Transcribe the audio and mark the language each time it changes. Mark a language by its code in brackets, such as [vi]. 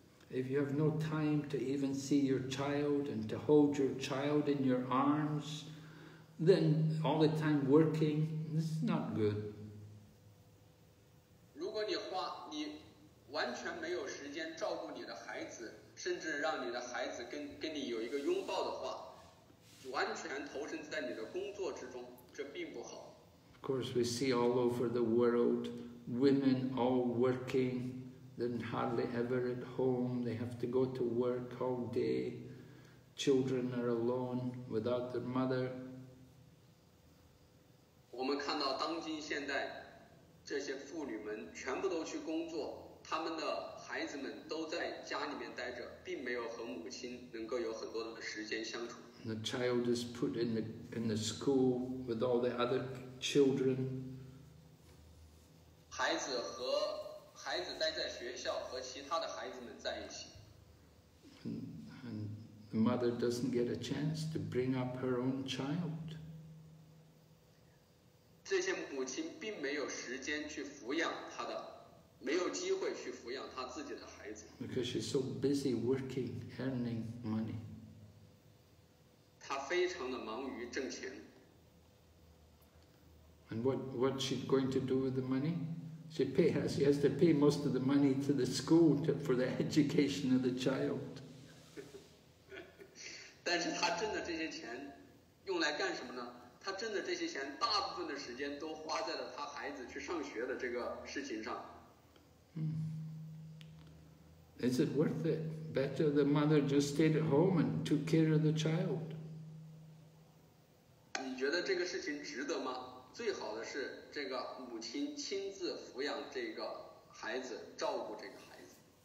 [en] If you have no time to even see your child and to hold your child in your arms, then all the time working, this is not good. [zh] 如果你花你完全没有时间照顾你的孩子，甚至让你的孩子跟你有一个拥抱的话，完全投身在你的工作之中，这并不好。 [en] Of course, we see all over the world, women all working, then hardly ever at home. They have to go to work all day. Children are alone without their mother. [zh] 我们看到当今现代，这些妇女们全部都去工作，他们的孩子们都在家里面待着，并没有和母亲能够有很多的时间相处。 [en] The child is put in the school with all the other children. [zh] 孩子待在学校和其他的孩子们在一起。 [en] And the mother doesn't get a chance to bring up her own child. [zh] 这些母亲并没有时间去抚养她的，没有机会去抚养她自己的孩子。 [en] Because she's so busy working, earning money. [zh] 她非常的忙于挣钱。 [en] And what she's going to do with the money? She has to pay most of the money to the school for the education of the child. [zh] 但是她挣的这些钱用来干什么呢？她挣的这些钱大部分的时间都花在了她孩子去上学的这个事情上。 [en] Is it worth it? Better the mother just stayed at home and took care of the child. [zh] 觉得这个事情值得吗？最好的是这个母亲亲自抚养这个孩子，照顾这个孩子。